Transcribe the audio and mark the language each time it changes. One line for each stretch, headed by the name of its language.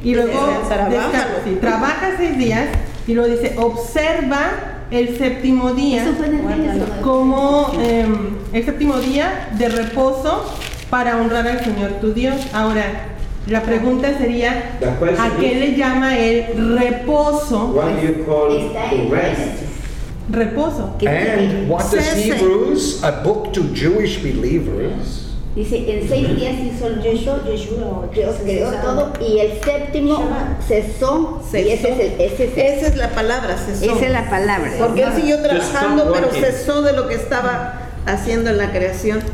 Spanish: Y luego descansa. Trabaja 6 días. Y luego dice, observa el séptimo día. Eso fue en el día. Como el séptimo día de reposo para honrar al Señor tu Dios. Ahora, la pregunta sería, ¿a qué le llama el reposo?
English: What do you call rest?
Spanish: Reposo.
English: And what does Hebrews, a book to Jewish believers?
Spanish: Dice, en 6 días hizo el Dios creó todo y el séptimo cesó. Y ese es esa es la palabra, cesó. Esa es la palabra. Porque él siguió trabajando, pero cesó de lo que estaba haciendo en la creación.